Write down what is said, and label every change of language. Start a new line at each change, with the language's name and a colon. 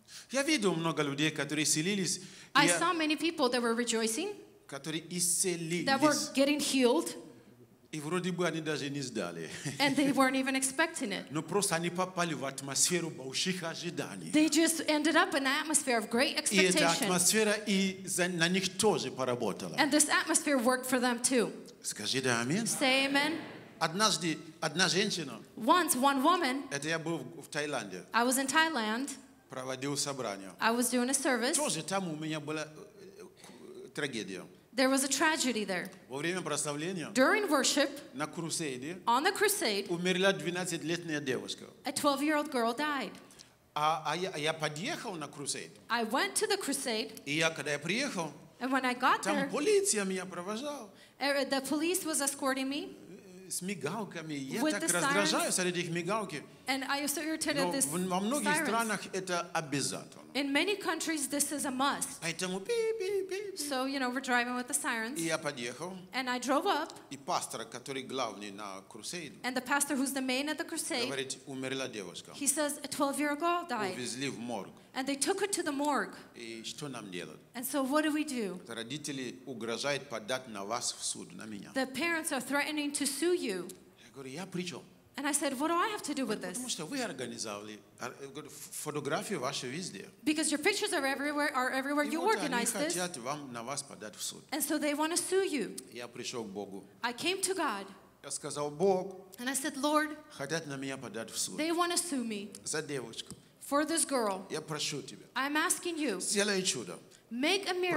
Russian: Я видел много людей, которые исцелились.
English: I saw many people that were rejoicing.
Russian: Которые исцелились.
English: That were getting healed.
Russian: И вроде бы они даже не ждали.
English: And they weren't even expecting it.
Russian: Но просто они попали в атмосферу больших ожиданий.
English: They just ended up in an atmosphere of great expectation.
Russian: И эта атмосфера и на них тоже поработала.
English: And this atmosphere worked for them too.
Russian: Скажи да, амин.
English: Say amen.
Russian: Однажды одна женщина.
English: Once one woman.
Russian: Это я был в Таиланде.
English: I was in Thailand.
Russian: Проводил собрание.
English: I was doing a service.
Russian: Тоже там у меня была трагедия.
English: There was a tragedy there. During worship, on the crusade, a 12-year-old girl died. I went to the crusade. And when I got there, the police was escorting me.
Russian: С мигалками. Я так раздражаюсь от этих мигалки. Но во многих странах это обязательно.
English: In many countries this is a must.
Russian: Поэтому пи-пи-пи.
English: So, you know, we're driving with the sirens.
Russian: И я подъехал.
English: And I drove up.
Russian: И пастор, который главный на крусейде.
English: And the pastor who's the main at the crusade.
Russian: Говорит, умерла девушка.
English: He says, a 12-year-old girl died.
Russian: Увезли в морг.
English: And they took her to the morgue.
Russian: И что нам делать?
English: And so what do we do?
Russian: Родители угрожают подать на вас в суд, на меня.
English: The parents are threatening to sue you.
Russian: Я говорю, я при чем?
English: And I said, what do I have to do with this?
Russian: Потому что вы организовали фотографии ваши везде.
English: Because your pictures are everywhere you organized this.
Russian: И вот они хотят вам на вас подать в суд.
English: And so they want to sue you.
Russian: Я пришел к Богу.
English: I came to God.
Russian: Я сказал, Бог.
English: And I said, Lord.
Russian: Хотят на меня подать в суд.
English: They want to sue me.
Russian: За девочку.
English: For this girl,
Russian: я прошу тебя.
English: I'm asking you.
Russian: Сделай чудо.
English: Make a miracle.